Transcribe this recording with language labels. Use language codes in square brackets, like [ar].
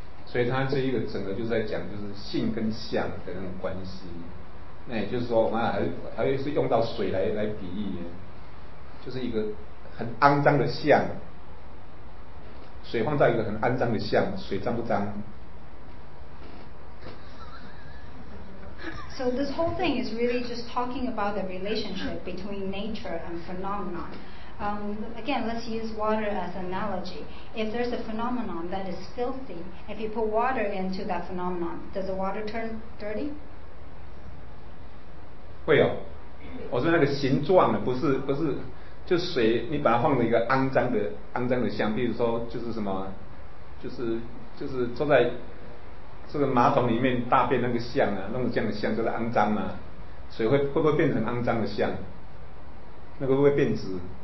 [zh] 所以他这一个整个就是在讲就是性跟相的那种关系，那也就是说我们还会是用到水来比喻，就是一个很肮脏的相，水放在一个很肮脏的相，水脏不脏？ [en] So this whole thing is really just talking about the relationship between nature and phenomenon. Again, let's use water as an analogy. If there's a phenomenon that is filthy, if you put water into that phenomenon, does the water turn dirty? [zh] 会哦，我说那个形状的，不是。就水你把它放了一个肮脏的像，比如说就是什么就是坐在这个马桶里面大便那个像啊，弄这样的像就是肮脏嘛，水会不会变成肮脏的像，那个会不会变质？